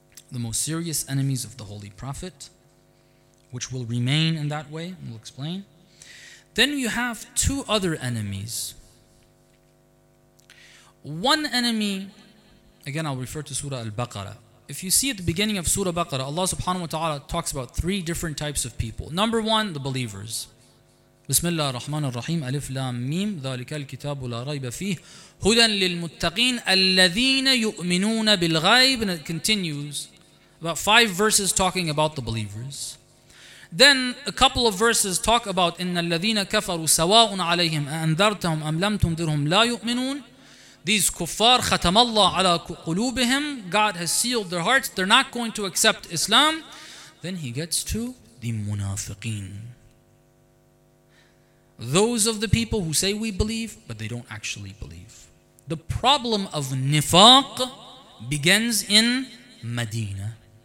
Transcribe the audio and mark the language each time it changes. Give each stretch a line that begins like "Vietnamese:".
English: The most serious enemies of the Holy Prophet, which will remain in that way, we'll explain. Then you have two other enemies. One enemy, again I'll refer to Surah Al-Baqarah. If you see at the beginning of Surah Baqarah, Allah subhanahu wa ta'ala talks about three different types of people. Number one, the believers.
Arabic: بسم الله الرحمن الرحيم ألف لام ميم ذلك الكتاب لا ريب فيه هدى للمتقين الذين يؤمنون بالغيب.
English: And it continues about five verses talking about the believers. Then a couple of verses talk about
Arabic: إن الذين كفروا سواء عليهم أنذرتهم أم لم تنذرهم لا يؤمنون.
English: These kuffar
Arabic: ختم الله على قلوبهم.
English: God has sealed their hearts. They're not going to accept Islam. Then he gets to the munafiqeen. Those of the people who say we believe, but they don't actually believe. The problem of nifaq begins in Medina.